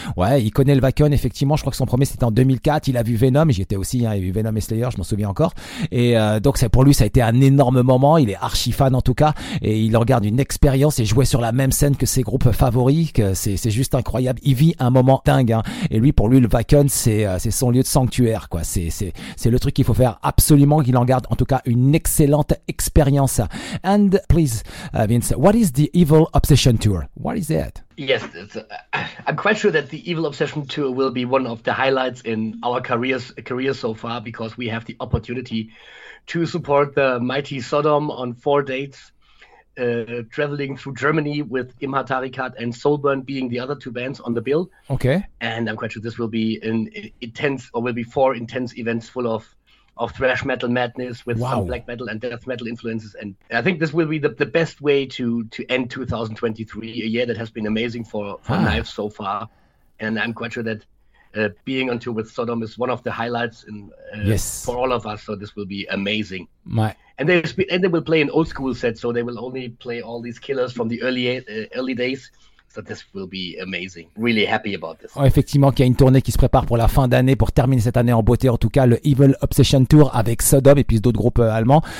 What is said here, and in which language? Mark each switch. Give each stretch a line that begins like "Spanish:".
French: Ouais, il connaît le Wacken effectivement, je crois que son premier c'était en 2004, il a vu Venom, j'y étais aussi, hein, il a vu Venom et Slayer, je m'en souviens encore, et donc c'est, pour lui ça a été un énorme moment, il est archi fan en tout cas, et il regarde une expérience et jouer sur la même scène que ses groupes favoris, que c'est juste incroyable. Il vit un moment dingue, hein. Et lui, pour lui, le Wacken, c'est son lieu de sanctuaire, quoi. C'est le truc qu'il faut faire absolument, qu'il en garde en tout cas une excellente expérience.
English: And please, Vince, what is the Evil Obsession Tour? What is that? Yes, I'm quite sure that the Evil Obsession Tour will be one of the highlights in our careers so far, because we have the opportunity to support the Mighty Sodom on 4 dates. Traveling through Germany with Imhat Harikat and Soulburn being the other two bands on the bill. Okay. And I'm quite sure this will be four intense events full of thrash metal madness with some black metal and death metal influences. And I think this will be the best way to end 2023, a year that has been amazing for Knives so far. And I'm quite sure that being on tour with Sodom is one of the highlights for all of us. So this will be amazing. And they will play an old school set, so they will only play all these killers from the early days. So this will be amazing. Really happy about this.
French: Oh, effectivement, qu'il y a une tournée qui se prépare pour la fin d'année, pour terminer cette année en beauté, en tout cas, le Evil Obsession Tour avec Sodom et puis d'autres groupes allemands.